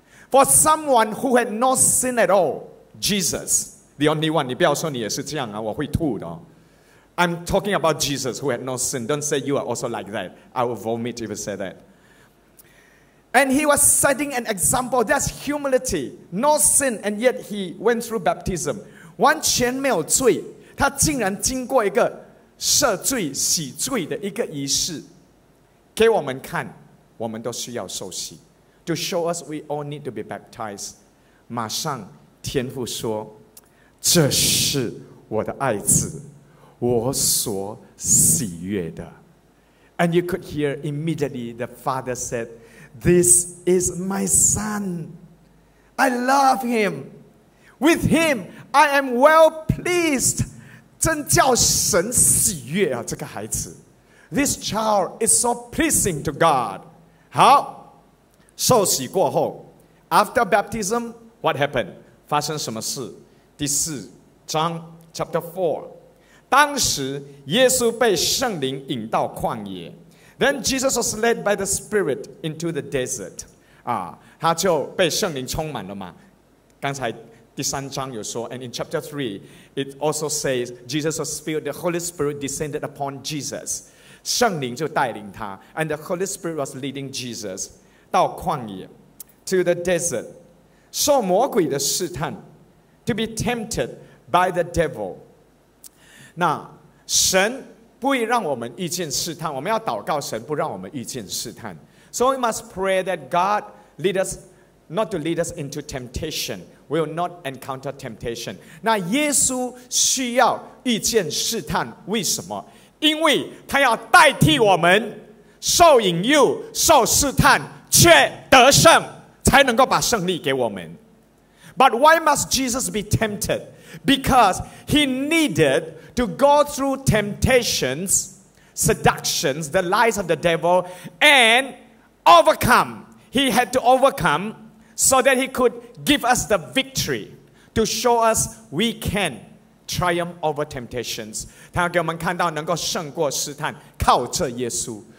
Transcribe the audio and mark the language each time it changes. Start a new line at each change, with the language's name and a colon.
English: For someone who had no sin at all, Jesus, the only one.
Chinese: 你不要说你也是这样啊，我会吐的。
English: I'm talking about Jesus who had no sin. Don't say you are also like that. I will vomit if you say that. And he was setting an example. That's humility. No sin, and yet he went through baptism.
Chinese: 完全没有罪，他竟然经过一个赦罪、洗罪的一个仪式，给我们看，我们都需要受洗。
English: To show us we all need to be baptized.
Chinese: 马上天父说，这是我的爱子，我所喜悦的。
English: And you could hear immediately the father said, This is my son. I love him. With him, I am well pleased.
Chinese: 真叫神喜悦啊，这个孩子。
English: This child is so pleasing to God.
Chinese: 好，受洗过后 ，
English: After baptism, what happened?
Chinese: 发生什么事？第四章 ，
English: Chapter 4。
Chinese: 当时耶稣被圣灵引到旷野 ，
English: Then Jesus was led by the Spirit into the desert。
Chinese: 啊，他就被圣灵充满了嘛。刚才第三章有说 ，
English: And in Chapter 3, it also says Jesus was filled. The Holy Spirit descended upon Jesus.
Chinese: 圣灵就带领他 ，
English: And the Holy Spirit was leading Jesus.
Chinese: 到旷野
English: to the desert,
Chinese: 受魔鬼的试探
English: to be tempted by the devil.
Chinese: 那神不会让我们遇见试探，我们要祷告神不让我们遇见试探。
English: So we must pray that God lead us not to lead us into temptation. We will not encounter temptation.
Chinese: 那耶稣需要遇见试探，为什么？因为他要代替我们受引诱、受试探。却得胜，才能够把胜利给我们。
English: But why must Jesus be tempted? Because he needed to go through temptations, seductions, the lies of the devil, and overcome. He had to overcome so that he could give us the victory to show us we can triumph over temptations.
Chinese: 他要给我们看到能够胜过试探，靠着耶稣。